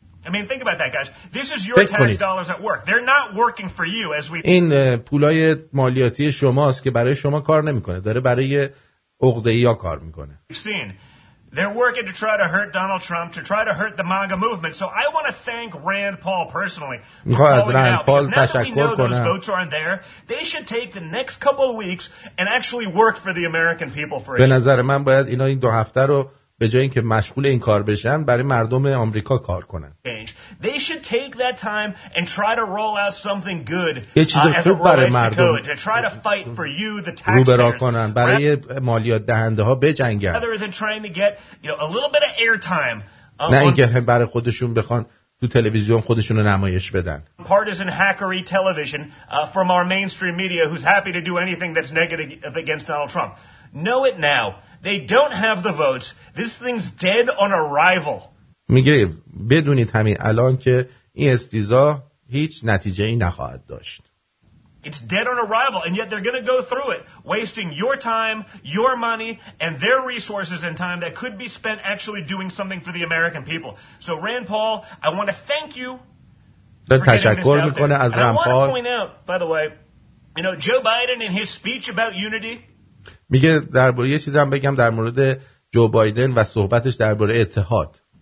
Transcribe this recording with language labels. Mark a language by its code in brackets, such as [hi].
[en] I mean, think about that, guys. This is your tax dollars at work. They're not working for you, as we. [fa] این پولای مالیاتی شماست که برای شما کار نمیکنه. داره برای عقده‌ای کار میکنه. [en] You've seen, they're working to try to hurt Donald Trump, to try to hurt the MAGA movement. So I want to thank Rand Paul personally. [fa] میخوام از رند پال تشکر کنم. [en] Now that we know those votes aren't there, they should take the next couple of weeks and actually work for the American people for a. [fa] به نظر من باید اینا این دو هفته رو به جای اینکه مشغول این کار بشن برای مردم آمریکا کار کنن. [en] They should take that time and try to roll out something good. [fa] یه چیز خوب برای مردم. [en] Try to fight for you the tax. [fa] روبرا کنن برای مالیات دهنده ها بجنگن. [en] Other than trying to get, you know, a little bit of air time. [fa] نه اینکه برای خودشون بخوان تو تلویزیون خودشونو نمایش بدن. [en] Partisan hackery television from our mainstream media who's happy to do anything that's negative against Donald Trump. Know it now. They don't have the votes. This thing's dead on arrival. [fa] میگه بدونید همین الان که این استیضاح هیچ نتیجه‌ای نخواهد داشت. [en] It's dead on arrival and yet they're going to go through it, wasting your time, your money and their resources and time that could be spent actually doing something for the American people. So Rand Paul, I want to thank you. [fa] تشکر میکنه از رند پال. [en] I want to point out, by the way, you know, Joe Biden in his speech about unity. [fa] میگه درباره یه چیزی هم بگم در مورد جو بایدن و صحبتش درباره اتحاد.